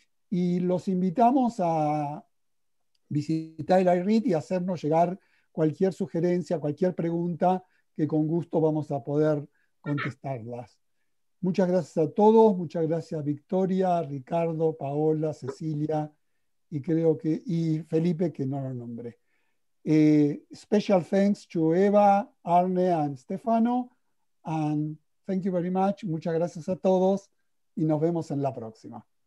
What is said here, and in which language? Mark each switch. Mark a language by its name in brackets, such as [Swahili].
[Spanish] Y los invitamos a visitar el IRIT y hacernos llegar cualquier sugerencia, cualquier pregunta, que con gusto vamos a poder contestarlas. Muchas gracias a todos, muchas gracias Victoria, Ricardo, Paola, Cecilia y creo que y Felipe, que no lo nombré. [English] Special thanks to Eva, Arne and Stefano, and thank you very much. [Spanish] Muchas gracias a todos y nos vemos en la próxima.